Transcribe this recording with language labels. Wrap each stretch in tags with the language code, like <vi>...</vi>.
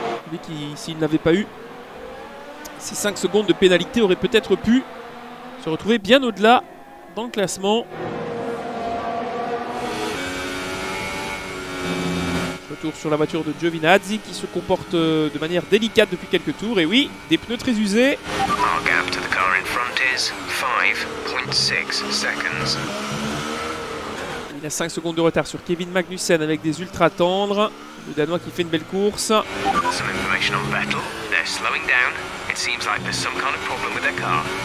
<fr>Lui qui, s'il n'avait pas eu ces 5 secondes de pénalité, aurait peut-être pu se retrouver bien au-delà dans le classement. Retour sur la voiture de Giovinazzi qui se comporte de manière délicate depuis quelques tours. Et oui, des pneus très usés.</fr> <en>Our gap to the car in front is 5.6 seconds.</en> <fr>Il a 5 secondes de retard sur Kevin Magnussen avec des ultra tendres. Le Danois qui fait une belle course.</fr> <en>Some information on Vettel. They're slowing down. It seems like there's some kind of problem with their car.</en>